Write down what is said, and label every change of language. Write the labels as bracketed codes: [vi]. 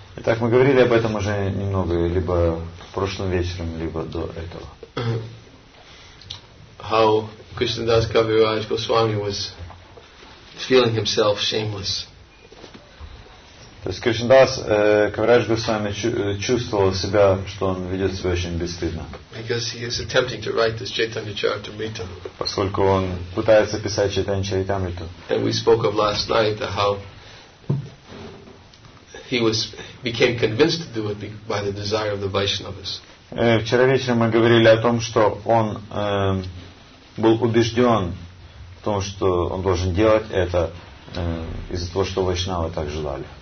[ru] Итак, мы говорили об этом уже немного, либо прошлым вечером, либо до этого. [en] How Krishnadas Kaviraj Goswami was feeling himself shameless. [ru] То есть Кришнадас Кавирадж Госвами чувствовал себя, что он ведет себя очень бесстыдно. [en] Because he is attempting to write this Chaitanya Charitamrita. [ru] Поскольку он пытается писать Чайтанья Чаритамриту. [en] And we spoke of last night how he was became convinced to do it by the desire of the Vaishnavas. [ru] Вчера вечером мы говорили о том, что он был убежден в том, что он должен делать это из-за того, что Вайшнавы так желали.